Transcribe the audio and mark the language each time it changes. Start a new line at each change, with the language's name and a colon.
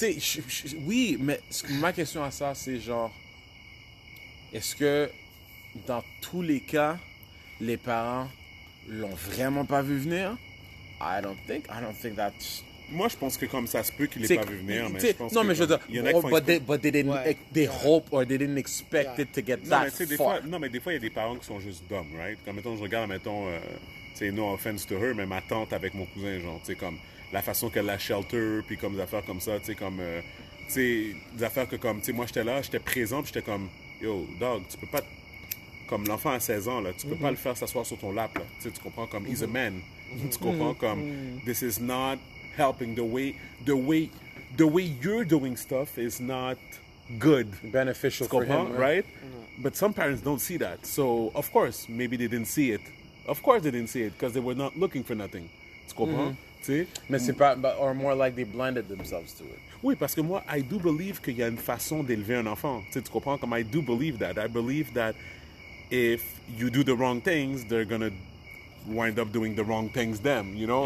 French: Tu sais, oui, mais ma question à ça, c'est genre, est-ce que dans tous les cas, les parents l'ont vraiment pas vu venir?
English: I don't think that's...
French: Moi, je pense que comme ça se peut qu'il n'ait pas vu venir, mais je pense non, comme, je veux dire,
English: they hope or they didn't expect it to get
French: non,
English: that
French: mais
English: far.
French: Des fois, non, mais des fois, il y a des parents qui sont juste dumb, right? Comme, mettons, je regarde, mettons, tu sais,
English: no offense to her,
French: mais ma tante avec mon cousin, genre, tu sais, comme la façon qu'elle la shelter, puis comme des affaires comme ça, tu sais, comme, tu sais, des affaires que comme, tu sais, moi, j'étais là, j'étais présent, puis j'étais comme,
English: yo, dog,
French: tu peux pas... Comme l'enfant à 16 ans, là, tu peux pas le faire s'asseoir sur ton lap, là. Tu sais, tu comprends, comme,
English: he's a man.
French: Tu comprends, comme,
English: this is not helping. The way you're doing stuff is not good. Beneficial for him.
French: Tu comprends,
English: right? But some parents don't see that. So, of course, maybe they didn't see it. Of course they didn't see it, because they were not looking for nothing.
French: Tu comprends, tu sais? Mais c'est pas,
English: but, or more like they blended themselves to it.
French: Oui, parce que moi,
English: I do believe
French: qu'il y a une façon d'élever un enfant. Tu sais, tu comprends, comme,
English: I do believe that. I believe that if you do the wrong things, they're gonna wind up doing the wrong things them, you know?